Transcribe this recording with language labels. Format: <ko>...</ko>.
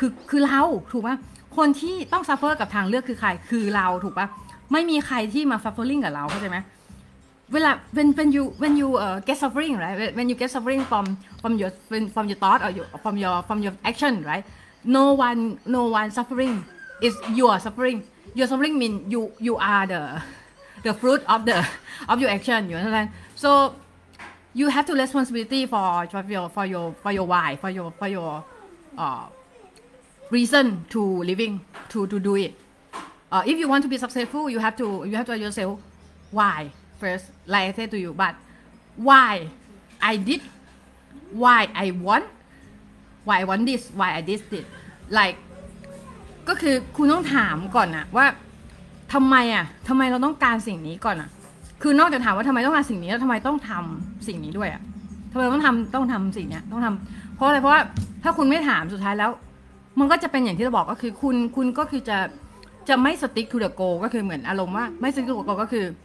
<th>คือเราถูกป่ะคนที่ต้องซัฟเฟอร์กับทางเลือกคือใครคือเราถูกป่ะไม่มีใครที่มาซัฟเฟอร์ลิ่งกับเราเข้าใจไหมเวลา</th> <en>when you get suffering right when you get suffering from your thought or from your action right no one suffering is your suffering mean you are the fruit of your action, you understand? So you have to responsibility for your why for your reason to living to do it. If you want to be successful, you have to ask yourself why. First, like I said to you, but why I did, why I did this, like</en> <th>ก็คือคุณต้องถามก่อนนะว่าทำไมอ่ะทำไมเราต้องการสิ่งนี้ก่อนอ่ะคือนอกจากถามว่าทำไมต้องการสิ่งนี้แล้วทำไมต้องทำสิ่งนี้ด้วยอ่ะทำไมต้องทำสิ่งเนี้ยต้องทำเพราะอะไรเพราะว่าถ้าคุณไม่ถามสุดท้ายแล้วมันก็จะเป็นอย่างที่เราบอกก็คือคุณก็คือจะไม่</th> <en>stick to the goal</en> <th>ก็คือเหมือนอารมณ์ว่าไม่ stick to the goal ก็คือ</th>